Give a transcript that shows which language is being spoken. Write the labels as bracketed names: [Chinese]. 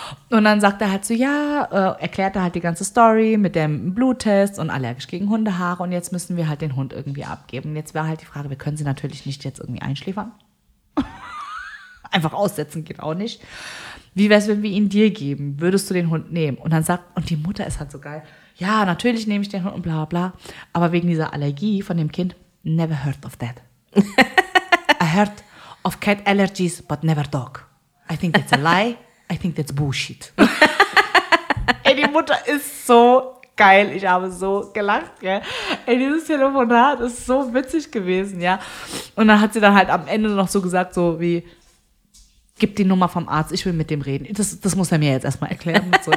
[German] Und dann sagt er halt so, ja, erklärt er halt die ganze Story mit dem Bluttest und allergisch gegen Hundehaare und jetzt müssen wir halt den Hund irgendwie abgeben. Und jetzt wäre halt die Frage, wir können sie natürlich nicht jetzt irgendwie einschläfern. Einfach aussetzen geht auch nicht. Wie wäre es, wenn wir ihn dir geben? Würdest du den Hund nehmen? Und dann sagt, und die Mutter ist halt so geil. Ja, natürlich nehme ich den Hund und bla bla bla. Aber wegen dieser Allergie von dem Kind, [English] never heard of that. I heard of cat allergies, but never dog. I think that's a lie. I think that's bullshit. [German] Ey, die Mutter ist so geil. Ich habe so gelacht, gell? Ey, dieses Telefonat ist so witzig gewesen, ja. Und dann hat sie dann halt am Ende noch so gesagt, so wie, gib die Nummer vom Arzt, ich will mit dem reden. Das muss er mir jetzt erstmal erklären. So.